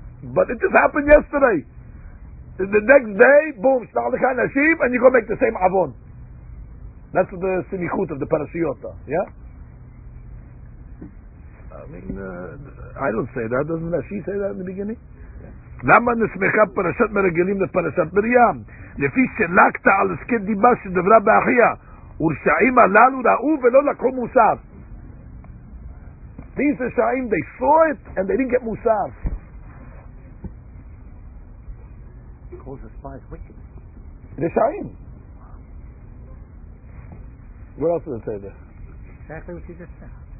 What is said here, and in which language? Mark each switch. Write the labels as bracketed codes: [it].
[en] But it just happened yesterday. The next day, boom, Shalach HaNashim, and you go make the same Avon. That's the Simichut of the Parashiyota, yeah? I mean, I don't say that. Doesn't Rashi say that in the beginning? [he] למה נסמכה פרשת מרגלים לפרשת מרים? לפי שלקת על עסקי דיבה שדברה באחיה, ורשעים הללו ראו ולא לקחו מוסף. [en] These רשעים, they saw it and they didn't get מוסף. Because the spies wicked. [he] רשעים. [en] What else did it say there? Exactly what you just said.